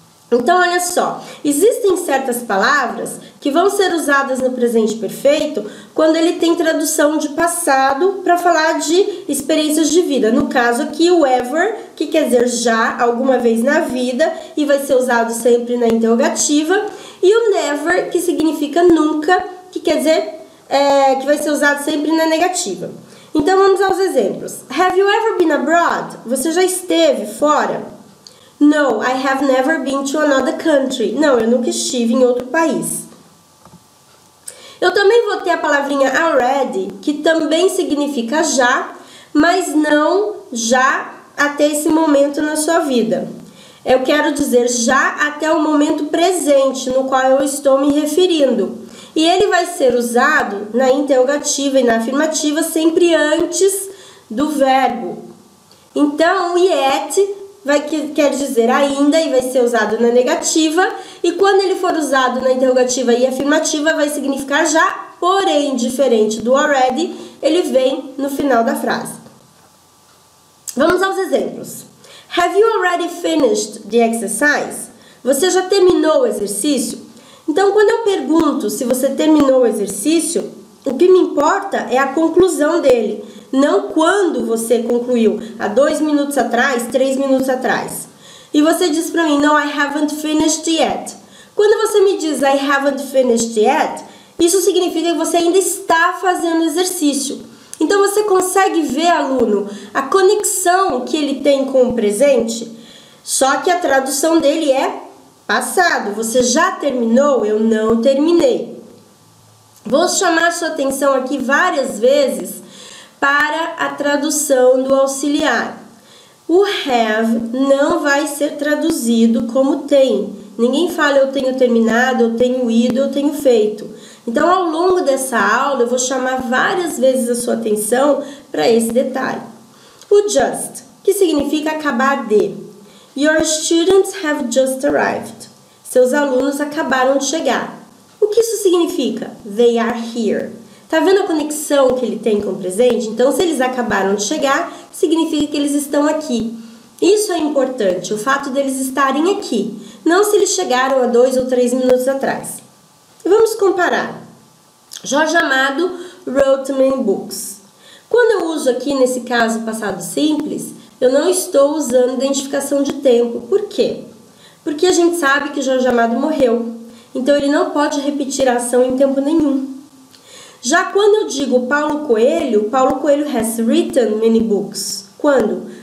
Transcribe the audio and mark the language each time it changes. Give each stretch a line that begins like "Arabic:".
Portuguese: Então, olha só, existem certas palavras que vão ser usadas no presente perfeito quando ele tem tradução de passado para falar de experiências de vida. No caso aqui, o ever, que quer dizer já, alguma vez na vida, e vai ser usado sempre na interrogativa, e o never, que significa nunca, que quer dizer que vai ser usado sempre na negativa. Então, vamos aos exemplos.
English: Have you ever been abroad?
Portuguese: Você já esteve fora?
English: No, I have never been to another country.
Portuguese: Não, eu nunca estive em outro país. Eu também vou ter a palavrinha already, que também significa já, mas não já até esse momento na sua vida. Eu quero dizer já até o momento presente no qual eu estou me referindo. E ele vai ser usado na interrogativa e na afirmativa sempre antes do verbo. Então, yet quer dizer ainda e vai ser usado na negativa. E quando ele for usado na interrogativa e afirmativa, vai significar já, porém, diferente do already, ele vem no final da frase. Vamos aos exemplos.
English: Have you already finished the exercise?
Portuguese: Você já terminou o exercício? Então, quando eu pergunto se você terminou o exercício, o que me importa é a conclusão dele, não quando você concluiu, há 2 minutos atrás, 3 minutos atrás. E você diz para mim,
English: no, I haven't finished yet.
Portuguese: Quando você me diz,
English: I haven't finished yet,
Portuguese: isso significa que você ainda está fazendo exercício. Então, você consegue ver, aluno, a conexão que ele tem com o presente? Só que a tradução dele é passado. Você já terminou? Eu não terminei. Vou chamar sua atenção aqui várias vezes para a tradução do auxiliar. O have não vai ser traduzido como tem. Ninguém fala eu tenho terminado, eu tenho ido, eu tenho feito. Então, ao longo dessa aula, eu vou chamar várias vezes a sua atenção para esse detalhe. O just, que significa acabar de.
English: Your students have just arrived.
Portuguese: Seus alunos acabaram de chegar. O que isso significa?
English: They are here.
Portuguese: Tá vendo a conexão que ele tem com o presente? Então, se eles acabaram de chegar, significa que eles estão aqui. Isso é importante, o fato deles estarem aqui. Não se eles chegaram há 2 ou 3 minutos atrás. Vamos comparar.
English: Jorge Amado wrote many books.
Portuguese: Quando eu uso aqui, nesse caso, passado simples, eu não estou usando identificação de tempo. Por quê? Porque a gente sabe que Jorge Amado morreu. Então, ele não pode repetir a ação em tempo nenhum. Já quando eu digo Paulo Coelho
English: has written many books.
Portuguese: Quando?